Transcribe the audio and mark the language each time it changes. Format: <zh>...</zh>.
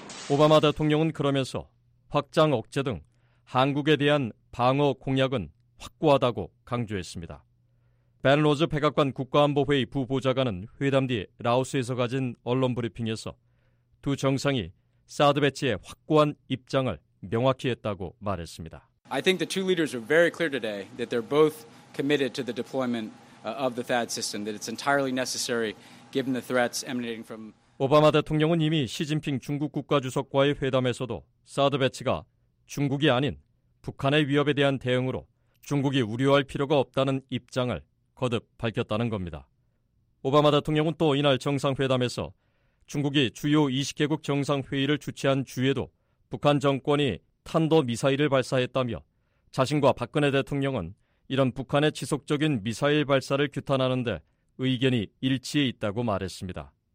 <ko>오바마 대통령은 그러면서 확장 억제 등 한국에 대한 방어 공약은 확고하다고 강조했습니다. 벤 로즈 백악관 국가안보회의 부보좌관은 회담 뒤 라오스에서 가진 언론 브리핑에서 두 정상이 사드 배치에 확고한 입장을 명확히 했다고 말했습니다.</ko> <en>I think the two leaders are very clear today that they're both committed to the deployment of the THAAD system, that it's entirely necessary given the threats emanating from</en> <ko>오바마 대통령은 이미 시진핑 중국 국가주석과의 회담에서도 사드 배치가 중국이 아닌 북한의 위협에 대한 대응으로 중국이 우려할 필요가 없다는 입장을 거듭 밝혔다는 겁니다. 오바마 대통령은 또 이날 정상회담에서 중국이 주요 20개국 정상회의를 주최한 주에도 북한 정권이 탄도미사일을 발사했다며 자신과 박근혜 대통령은 이런 북한의 지속적인 미사일 발사를 규탄하는 데 의견이 일치해 있다고 말했습니다.</ko>